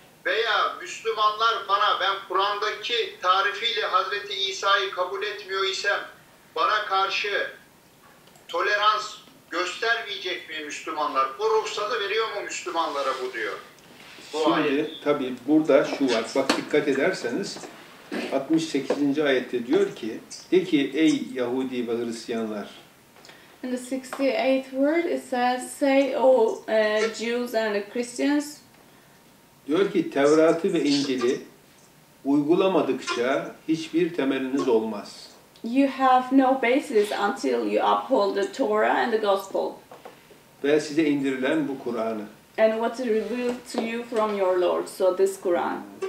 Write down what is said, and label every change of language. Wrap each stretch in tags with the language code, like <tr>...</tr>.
<tr>Veya Müslümanlar bana ben Kur'an'daki tarifiyle Hazreti İsa'yı kabul etmiyor isem bana karşı tolerans göstermeyecek mi Müslümanlar? Bu ruhsatı veriyor mu Müslümanlara bu diyor. Bu şimdi ayet. Tabii burada şu var. Bak dikkat ederseniz 68. ayette diyor ki de ki ey Yahudi ve Hristiyanlar.</tr> <en>In the 68th word it says say oh Jews and Christians.</en> <tr>Diyor ki Tevrat'ı ve İncil'i uygulamadıkça hiçbir temeliniz olmaz.</tr> <en>You have no basis until you uphold the Torah and the Gospel.</en> <tr>Ve size indirilen bu Kur'an'ı.</tr> <en>And what is revealed to you from your Lord, so this Quran.</en>